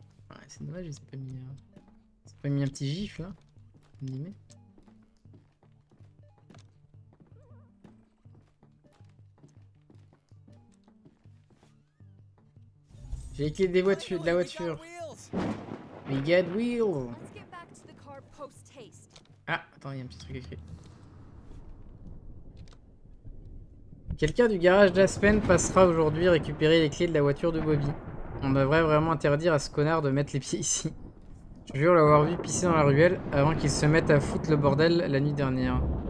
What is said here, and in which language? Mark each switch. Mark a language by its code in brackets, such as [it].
[fr] Ouais, c'est dommage, il s'est pas mis. C'est pas mis un petit gif là. Animé. J'ai écrit des voitures, de la voiture. [en] We get wheels. Let's get back to the car post-haste. [fr] Ah, attends, il y a un petit truc écrit. Quelqu'un du garage d'Aspen passera aujourd'hui récupérer les clés de la voiture de Bobby. On devrait vraiment interdire à ce connard de mettre les pieds ici. Je jure l'avoir vu pisser dans la ruelle avant qu'il se mette à foutre le bordel la nuit dernière.